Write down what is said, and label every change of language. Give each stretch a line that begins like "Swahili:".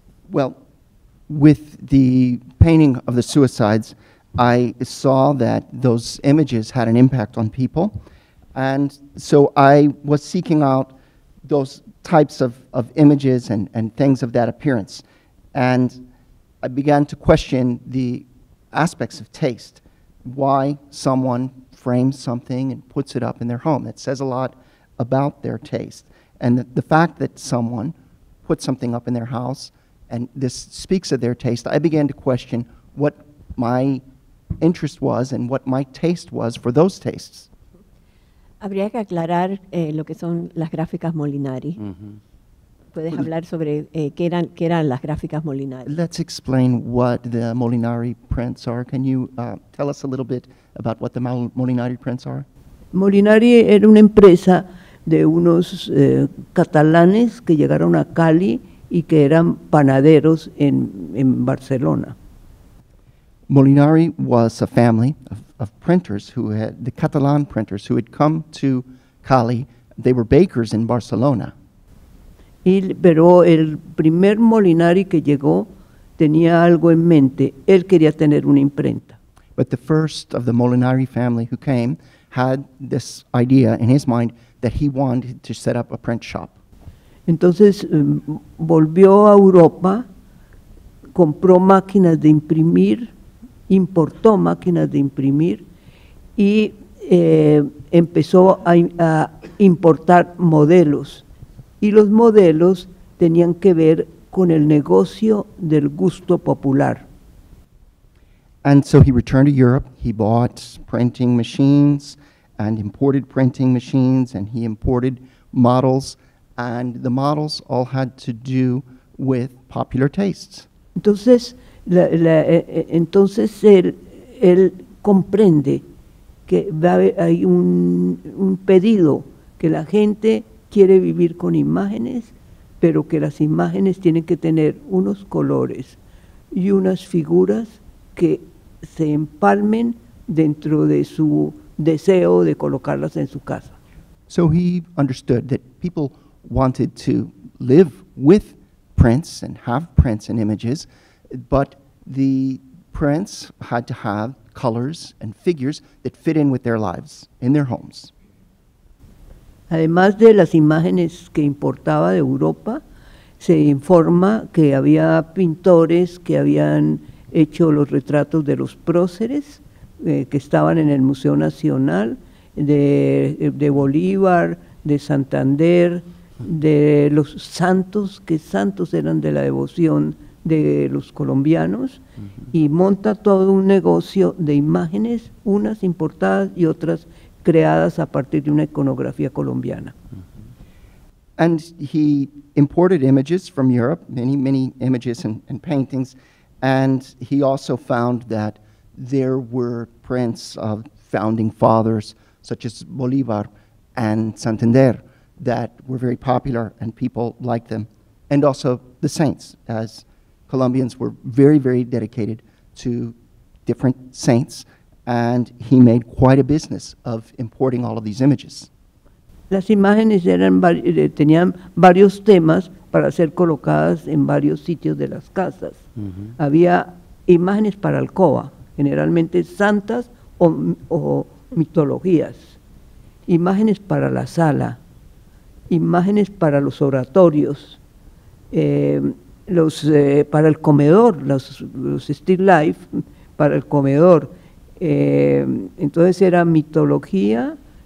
English: Well, with the painting of the suicides, I saw that those images had an impact on people, and so I was seeking out those types of images and things of that appearance, and I began to question the aspects of taste, why someone frames something and puts it up in their home. It says a lot about their taste, and the fact that someone puts something up in their house and this speaks of their taste, I began to question what my interest was and what my taste was for those tastes.
Spanish: Habría que aclarar lo que son las gráficas Molinari. Mm-hmm. ¿Puedes hablar sobre qué eran las gráficas Molinari?
English: Let's explain what the Molinari prints are. Can you tell us a little bit about what the Molinari prints are?
Spanish: Molinari era una empresa de unos catalanes que llegaron a Cali y que eran panaderos en Barcelona.
English: Molinari was a family of printers who had, the Catalan printers who had come to Cali. They were bakers in Barcelona.
Spanish: Pero el primer Molinari que llegó tenía algo en mente. Él quería tener una imprenta.
English: But the first of the Molinari family who came had this idea in his mind that he wanted to set up a print shop.
Spanish: Entonces volvió a Europa, compró máquinas de imprimir, importó máquinas de imprimir y empezó a importar modelos. Y los modelos tenían que ver con el negocio del gusto popular.
English: And so he returned to Europe, he bought printing machines and imported printing machines, and he imported models, and the models all had to do with popular tastes.
Spanish: Entonces, él comprende que hay un pedido, que la gente quiere vivir con imágenes, pero que las imágenes tienen que tener unos colores y unas figuras que se empalmen dentro de su deseo de colocarlas en su casa.
English: So he understood that people wanted to live with prints and have prints and images, but the prints had to have colors and figures that fit in with their lives in their homes.
Spanish: Además de las imágenes que importaba de Europa, se informa que había pintores que habían hecho los retratos de los próceres que estaban en el Museo Nacional de Bolívar, de Santander, de los santos, que santos eran de la devoción de los colombianos, y monta todo un negocio de imágenes, unas importadas y otras creadas a partir de una iconografía colombiana.
English: And he imported images from Europe, many, many images and paintings, and he also found that there were prints of founding fathers such as Bolívar and Santander that were very popular and people liked them, and also the saints, as Colombians were very, very dedicated to different saints, and he made quite a business of importing all of these images.
Spanish: Las imágenes tenían varios temas para ser colocadas en varios sitios de las casas. Mm-hmm. Había imágenes para alcoba, generalmente santas o mitologías, imágenes para la sala, imágenes para los oratorios, para el comedor, los still life para el comedor. Entonces era mitología,